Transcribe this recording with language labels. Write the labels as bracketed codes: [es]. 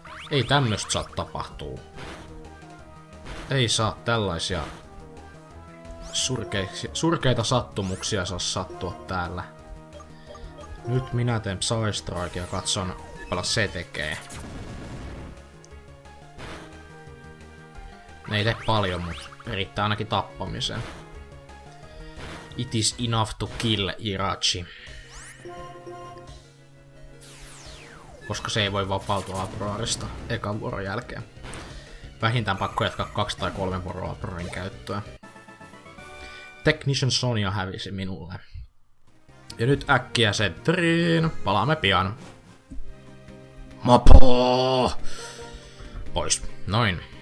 [fi] Ei tämmöstä saa tapahtuu. Ei saa tällaisia surkeita sattumuksia saa sattua täällä. Nyt minä teen Psystrike ja katson, paljon se tekee. Ne ei tee paljon, mut riittää ainakin tappamiseen. [en] It is enough to kill Jirachi. [fi] Koska se ei voi vapautua Aproarista ekan vuoron jälkeen. Vähintään pakko jatkaa 2 tai 3 vuoroa Aproarin käyttöä. Technician Sonia hävisi minulle. Ja nyt äkkiä sentriin. Palaamme pian. Mapoo! Pois. Noin.